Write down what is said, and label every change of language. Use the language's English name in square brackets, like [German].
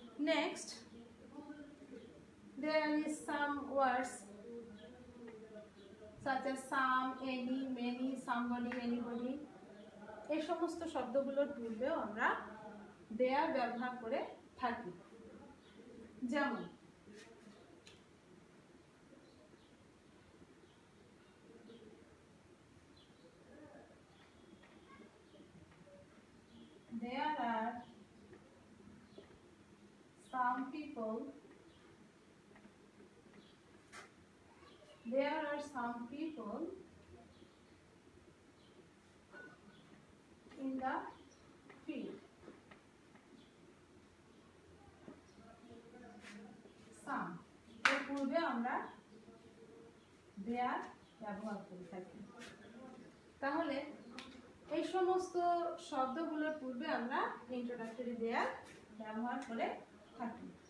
[English] next there is some words such as some, any, many, somebody, anybody, [Bangla] এই সমস্ত শব্দগুলোর পূর্বেও আমরা দেয়ার ব্যবহার করে থাকি। [English] যেমন there are some people, there are some people in the field, [Bangla] some, এর পূর্বে আমরা দেয়ার ব্যবহার করে থাকি। তাহলে এই সমস্ত শব্দগুলোর পূর্বে আমরা ইন্ট্রোডাক্টরি দেয়ার ব্যবহার করে থাকি।